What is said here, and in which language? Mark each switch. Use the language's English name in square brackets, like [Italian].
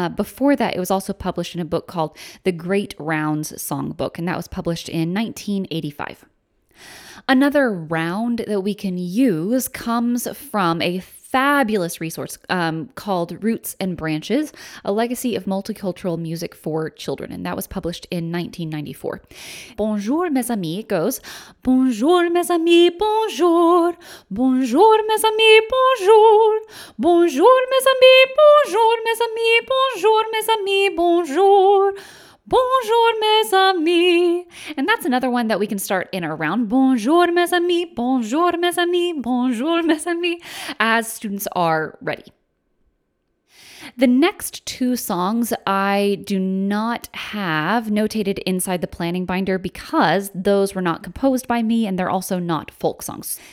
[English] Before that, it was also published in a book called The Great Rounds Songbook, and that was published in 1985. Another round that we can use comes from a fabulous resource called Roots and Branches, A Legacy of Multicultural Music for Children, and that was published in 1994. [French] Bonjour, mes amis, [English] goes, [French] bonjour, mes amis, bonjour, bonjour, mes amis, bonjour, bonjour, mes amis, bonjour, mes amis, bonjour, mes amis, bonjour. Bonjour, mes amis. [English] And that's another one that we can start in around. [French] Bonjour, mes amis. Bonjour, mes amis. Bonjour, mes amis. [English] As students are ready. The next two songs I do not have notated inside the planning binder because those were not composed by me and they're also not folk songs.